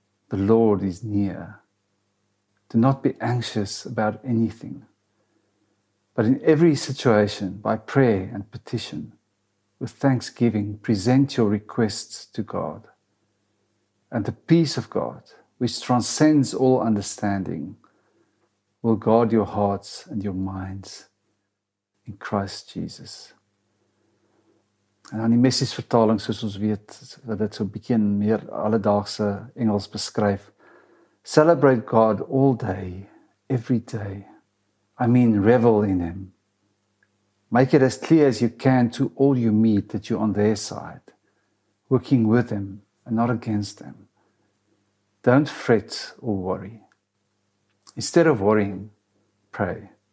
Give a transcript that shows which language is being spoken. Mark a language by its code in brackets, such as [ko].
[en] The Lord is near. Do not be anxious about anything, but in every situation, by prayer and petition, with thanksgiving, present your requests to God. And the peace of God, which transcends all understanding, will guard your hearts and your minds in Christ Jesus. [af] En dan die Message vertaling, soos ons weet, wat dit so 'n bietjie in meer alledaagse Engels beskryf. [en] Celebrate God all day, every day. I mean, revel in Him. Make it as clear as you can to all you meet that you're on their side, working with Him and not against Him. Don't fret or worry. Instead of worrying, pray.